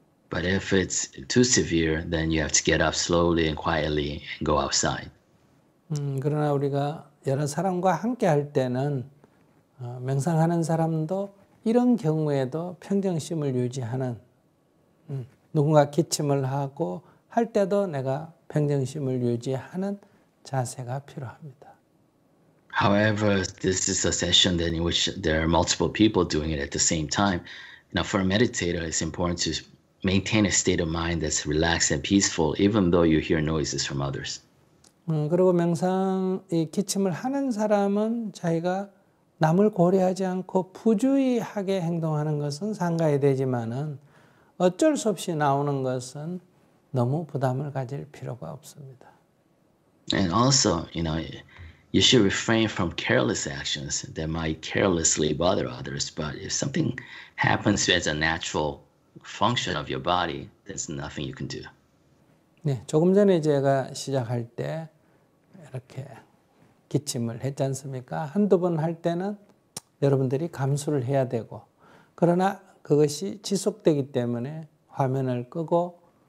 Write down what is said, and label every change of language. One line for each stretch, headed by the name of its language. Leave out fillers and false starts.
English: But if it's too severe, then you have to get up slowly and quietly and go outside.
Korean: 그러나 우리가 여러 사람과 함께 할 때는 명상하는 사람도 이런 경우에도 평정심을 유지하는 누군가 기침을 하고 할 때도 내가 평정심을 유지하는 자세가 필요합니다.
English: However, this is a session in which there are multiple people doing it at the same time. Now, for a meditator, it's important to maintain a state of mind that's relaxed and peaceful, even though you hear noises from others.
Korean: 그리고 명상 이 기침을 하는 사람은 자기가 남을 고려하지 않고 부주의하게 행동하는 것은 상가에 되지만은 어쩔 수 없이 나오는 것은 너무 부담을 가질 필요가 없습니다.
English: And also, you know, you should refrain from careless actions that might carelessly bother others. But if something happens as a natural function of your body, there's nothing you can do.
Korean: 네, 조금 전에 제가 시작할 때 이렇게 기침을 했지 않습니까? 한두 번 할 때는 여러분들이 감수를 해야 되고 그러나 그것이 지속되기 때문에 화면을 끄고